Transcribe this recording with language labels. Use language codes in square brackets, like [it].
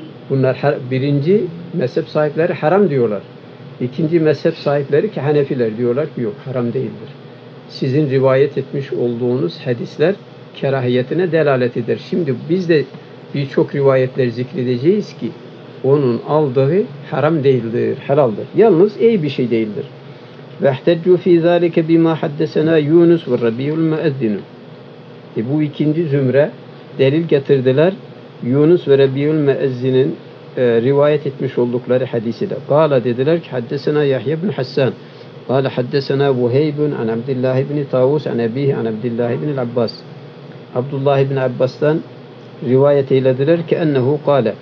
[tr] Bunlar birinci mezhep sahipleri haram diyorlar. İkinci mezhep sahipleri ki Hanefiler diyorlar ki yok haram değildir. Sizin rivayet etmiş olduğunuz hadisler kerahiyetine delalet eder. Şimdi biz de birçok rivayetleri zikredeceğiz ki onun aldığı haram değildir, helaldir. Yalnız iyi bir şey değildir. [ar] وَاَحْتَجُّ ف۪ي ذَٰلِكَ بِمَا حَدَّسَنَا يُونُسْ وَالرَّب۪يُ الْمَأَذِّنُ [tr] Bu ikinci zümre delil getirdiler. Yunus ve Rabi'ül Me'ezzin'in rivayet etmiş oldukları hadisi de. Kala dediler ki haddesena Yahya ibn Hassan. Kala haddesena Buheybun an Abdillah ibn Tavus an Ebihi an Abdillah ibn Abbas. Abdullah ibn Abbas'tan rivayet eylediler ki ennehu kala.